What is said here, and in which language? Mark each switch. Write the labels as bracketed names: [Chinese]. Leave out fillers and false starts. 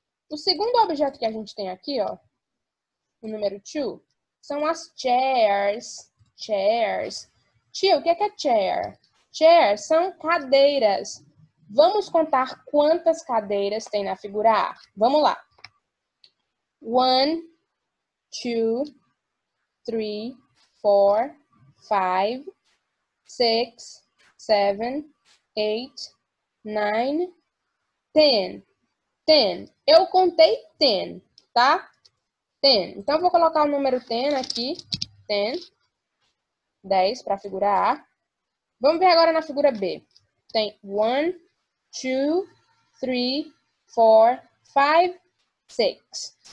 [Portuguese] O segundo objeto que a gente tem aqui, ó, o número two. São as chairs. Chairs. Tia, o que é chair? Chairs são cadeiras. Vamos contar quantas cadeiras tem na figura A. Vamos lá. [English] One, two, three, four, five, six, seven, eight, nine, ten. [Portuguese] Ten. Eu contei ten, tá? Então, eu vou colocar o número 10 aqui. 10, 10 para a figura A. Vamos ver agora na figura B. Tem 1, 2, 3, 4, 5, 6.